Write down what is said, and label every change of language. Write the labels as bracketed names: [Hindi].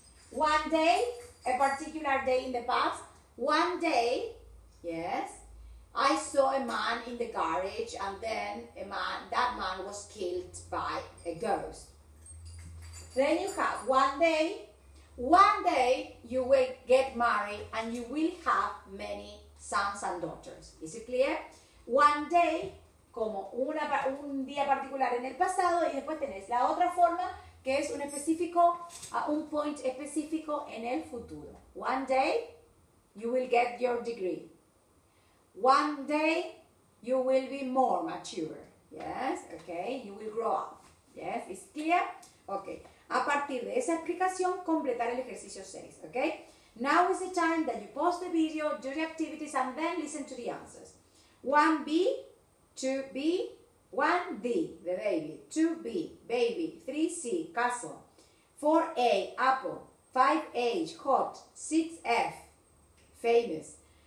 [English] One day, a particular day in the past. One day, yes, I saw a man in the garage and then that man was killed by a ghost. Then you have one day you will get married and you will have many sons and daughters. Is it clear? One day, [Spanish] como un día particular en el pasado, y después tenés la otra forma, que es un específico, un point específico en el futuro. [English] One day, you will get your degree. One day, you will be more mature. Yes, okay, you will grow up. Yes, is clear? [Spanish] Okay, a partir de esa explicación, completar el ejercicio 6, okay? [English] Now is the time that you pause the video, do the activities, and then listen to the answers. 1B, 2B, 1D, the baby. 2B, baby. 3C, castle. 4A, apple. 5H, hot. 6F, famous.